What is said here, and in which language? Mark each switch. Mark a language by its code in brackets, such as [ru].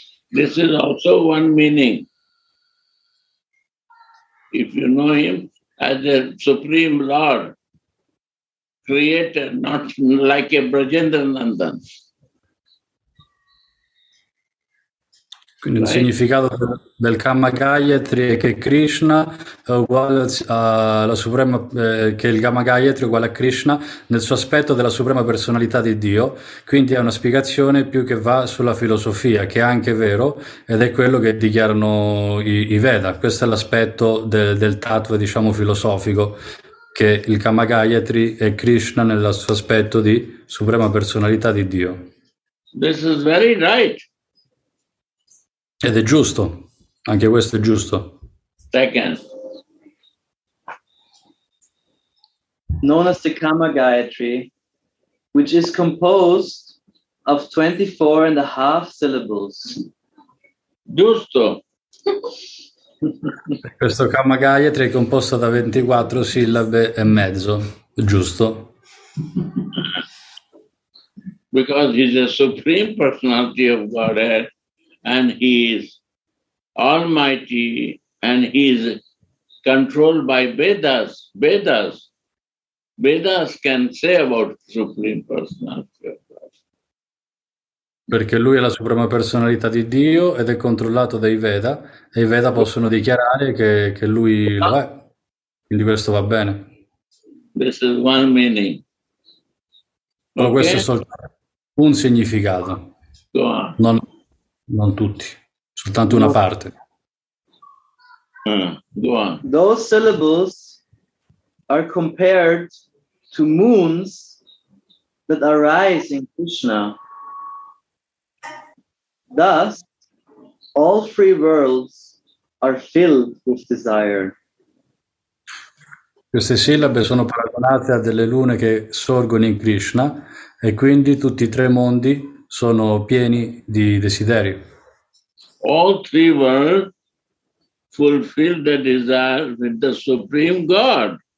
[en] This is also one meaning. If you know him as a Supreme Lord, creator, not like a Brajendranandan. [it] Quindi right? Il significato del Kama Gayatri è che Krishna è uguale alla suprema, che il Kama Gayatri è uguale a Krishna nel suo aspetto della suprema personalità di Dio. Quindi è una spiegazione più che va sulla filosofia, che è anche vero, ed è quello che dichiarano i Veda. Questo è l'aspetto del tattva, diciamo, filosofico, che il Kama Gayatri è Krishna nel suo aspetto di suprema personalità di Dio. [en] This is very right. [it] Ed è giusto, anche questo è giusto. [en] Second. Known as the Kama Gayatri, which is composed of 24 and a half syllables. [it] Giusto. Questo Kama Gayatri è composto da 24 sillabe e mezzo, giusto. [en] Because he's the Supreme Personality of Godhead. And he is almighty, and he is controlled by Vedas. Vedas can say about Supreme Personality of God. [it] Perché lui è la suprema personalità di Dio ed è controllato dai Veda, e i Veda possono dichiarare che lui lo è. Quindi questo va bene. [en] This is one meaning. [it] Ma okay. Questo è soltanto un significato. [en] Go on. [it] Non tutti, soltanto una parte. [en] Go on. Those syllables are compared to moons that arise in Krishna. Thus, all three worlds are filled with desire. [it] Queste sillabe sono paragonate a delle lune che sorgono in Krishna, e quindi tutti i tre mondi sono pieni di desideri. [en] All three worlds fulfill the desire with the Supreme God.